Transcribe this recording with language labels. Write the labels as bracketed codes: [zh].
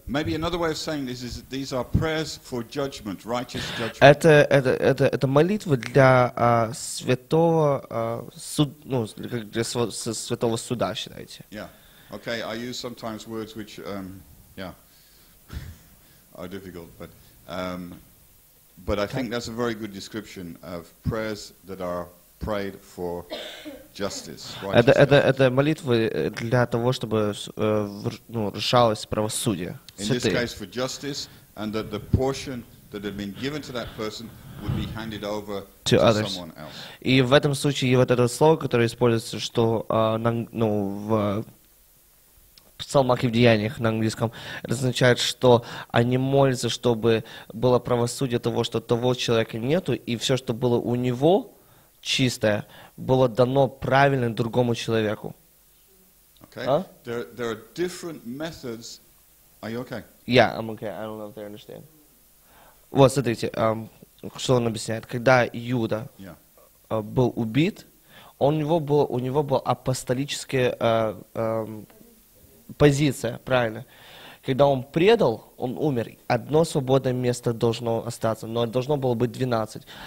[en] Maybe another way of saying this is that these are prayers for judgment, righteous judgment. [ru] Это молитвы для святого суд, ну, для святого суда, считайте. [en] Yeah. Okay, I use sometimes words which are difficult, but I think that's a very good description of prayers that are prayed for justice. [ru] Это молитвы для того, чтобы решалось правосудие. [en] In this case, for justice, and that the portion that had been given to that person would be handed over to someone else. [ru] И в этом случае вот это слово, которое используется, что в псалмах и в деяниях на английском, означает, что они молятся, чтобы было правосудие того, что того человека нету, и все, что было у него чистое, было дано правильно другому человеку. [en] Okay. А? There are different methods. Are you okay? Yeah, I'm okay. I don't know if they understand. [ru] Вот, смотрите, что он объясняет. Когда Иуда был убит, у него был апостолический позиция, правильно. Когда он предал, он умер, одно свободное место должно остаться, но должно было быть 12.